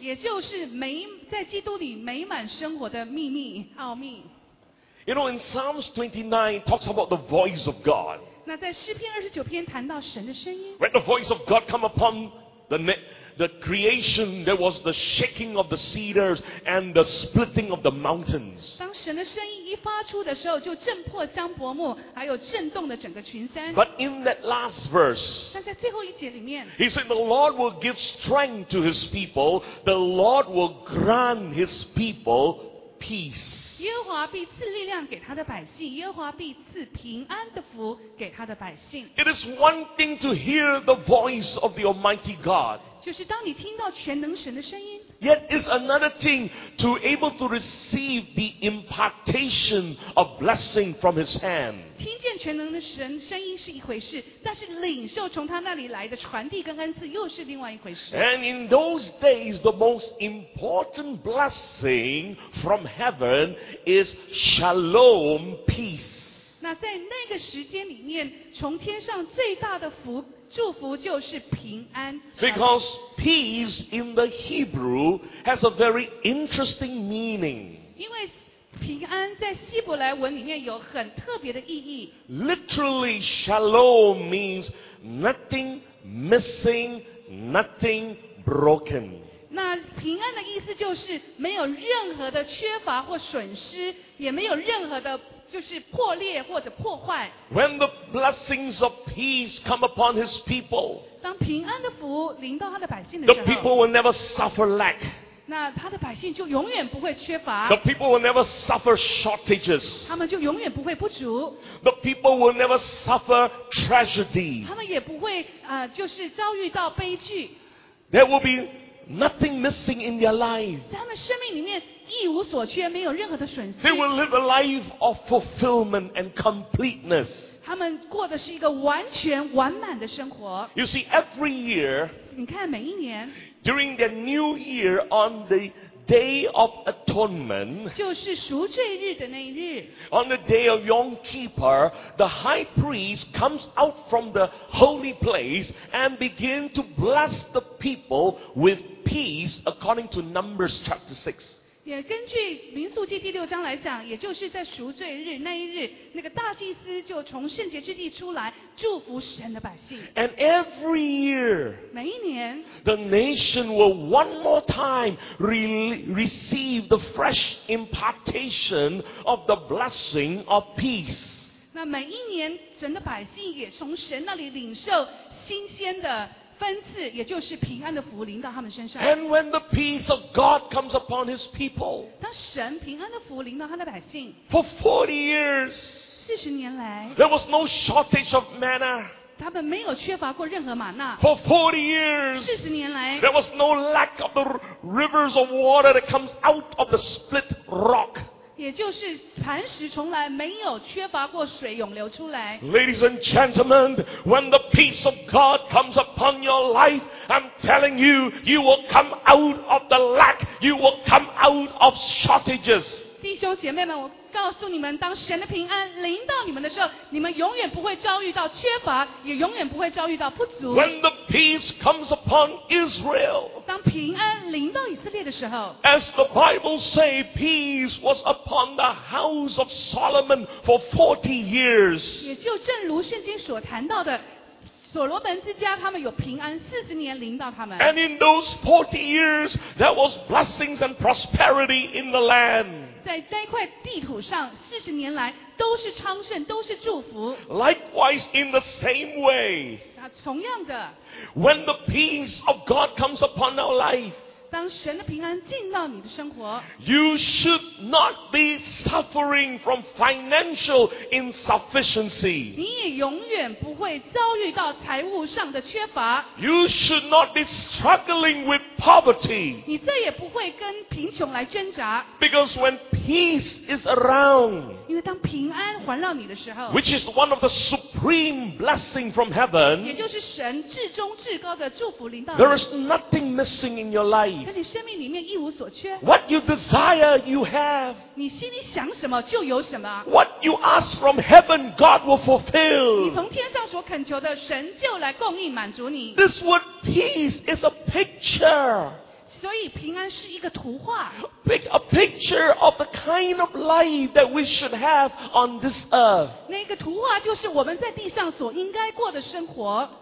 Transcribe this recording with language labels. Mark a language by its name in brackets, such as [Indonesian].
[Chinese] 也就是美在基督里美满生活的秘密奥秘。 [English] You know, in Psalms 29 talks about the voice of God. [Chinese] 那在诗篇二十九篇谈到神的声音。 [English] When the voice of God come upon the creation, there was the shaking of the cedars and the splitting of the mountains. [Chinese] 当神的声音一发出的时候，就震破江柏木，还有震动的整个群山。 [English] But in that last verse, [Chinese] 但在最后一节里面 [English] he said, the Lord will give strength to his people, the Lord will grant his people peace. [Chinese] 耶和华必赐力量给他的百姓，耶和华必赐平安的福给他的百姓。 [English] It is one thing to hear the voice of the Almighty God. [Chinese] 就是当你听到全能神的声音 [English] Yet is another thing to able to receive the impartation of blessing from his hand. [Chinese] 听见全能的神声音是一回事，但是领受从他那里来的传递跟恩赐又是另外一回事。 [English] And in those days, the most important blessing from heaven is shalom, peace. [Chinese] 那在那个时间里面，从天上最大的福祝福就是平安。 [English] Because peace in the Hebrew has a very interesting meaning. [Chinese] 因为平安在希伯来文里面有很特别的意义。 [English] Literally, shalom means nothing missing, nothing broken. [Chinese] 那平安的意思就是没有任何的缺乏或损失，也没有任何的就是破裂或者破坏。 [English] When the blessings of peace come upon his people, [Chinese] 当平安的福临到他的百姓的时候 [English] the people will never suffer lack. [Chinese] 那他的百姓就永远不会缺乏。 [English] The people will never suffer shortages. [Chinese] 他们就永远不会不足。 [English] The people will never suffer tragedy. [Chinese] 他们也不会就是遭遇到悲剧。 [English] There will be nothing missing in their life. [Chinese] 在他们生命里面一无所缺，没有任何的损失。 [English] They will live a life of fulfillment and completeness. [Chinese] 他们过的是一个完全完满的生活。 [English] You see, every year, [Chinese] 你看每一年 [English] during the New Year on the Day of Atonement, [Chinese] 就是赎罪日的那一日 [English] on the Day of Yom Kippur, the high priest comes out from the holy place and begin to bless the people with peace, according to Numbers chapter 6. [Chinese] 也根据民数记第六章来讲，也就是在赎罪日那一日，那个大祭司就从圣洁之地出来，祝福神的百姓。 [English] And every year, [Chinese] 每一年 [English] the nation will one more time receive the fresh impartation of the blessing of peace. [Chinese] 那每一年神的百姓也从神那里领受新鲜的分次，也就是平安的福临到他们身上。 [English] And when the peace of God comes upon His people, [Chinese] 当神平安的福临到他的百姓。 [English] For 40 years, [Chinese] 四十年来 [English] ，there was no shortage of manna. [Chinese] 他们没有缺乏过任何玛纳。 [English] For 40 years, [Chinese] 四十年来 [English] ，there was no lack of the rivers of water that comes out of the split rock. [Chinese] 也就是磐石从来没有缺乏过水涌流出来。 [English] Ladies and gentlemen, when the peace of God comes upon your life, I'm telling you, you will come out of the lack, you will come out of shortages. [Chinese] 弟兄姐妹们，我告诉你们，当神的平安临到你们的时候，你们永远不会遭遇到缺乏，也永远不会遭遇到不足。 [English] When the peace comes upon Israel, [Chinese] 当平安临到以色列的时候 [English] ，As the Bible say, peace was upon the house of Solomon for 40 years. [Chinese] 也就正如圣经所谈到的，所罗门之家他们有平安四十年临到他们。 [English] And in those 40 years, there was blessings and prosperity in the land. [Chinese] 在那块地土上四十年来都是昌盛都是祝福 [English] Likewise in the same way [Chinese] 同样的 [English] When the peace of God comes upon our life [Chinese] 当神的平安进到你的生活。 [English] You should not be suffering from financial insufficiency. [Chinese] 你也永远不会遭遇到财务上的缺乏。 [English] You should not be struggling with poverty. [Chinese] 你再也不会跟贫穷来挣扎。 [English] Because when peace is around, [Chinese] 因为当平安环绕你的时候， [English] which is one of the supreme blessing from heaven, [Chinese] 也就是神至终至高的祝福临到。 [English] There is nothing missing in your life. [Chinese] 在你生命里面一无所缺。 [English] What you desire, you have. [Chinese] 你心里想什么就有什么。 [English] What you ask from heaven, God will fulfill. [Chinese] 你从天上所恳求的，神就来供应满足你。 [English] This word peace is a picture. [Chinese] 所以平安是一个图画。 [English] A picture of the kind of life that we should have on this earth. [Chinese] 那个图画就是我们在地上所应该过的生活。